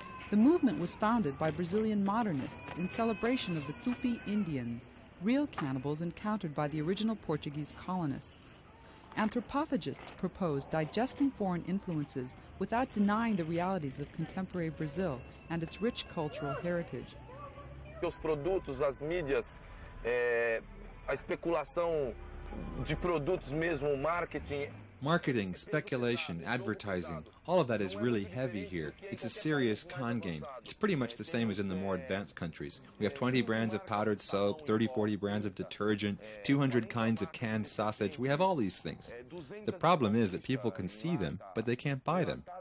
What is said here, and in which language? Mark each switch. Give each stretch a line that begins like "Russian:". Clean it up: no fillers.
English: The movement was founded by Brazilian modernists in celebration of the Tupi Indians, real cannibals encountered by the original Portuguese colonists. Anthropophagists proposed digesting foreign influences without denying the realities of contemporary Brazil and its rich cultural heritage.
Portuguese: Os produtos, as mídias, a especulação de produtos mesmo, marketing.
English: Marketing, speculation, advertising, all of that is really heavy here. It's a serious con game. It's pretty much the same as in the more advanced countries. We have 20 brands of powdered soap, 30, 40 brands of detergent, 200 kinds of canned sausage. We have all these things. The problem is that people can see them, but they can't buy them.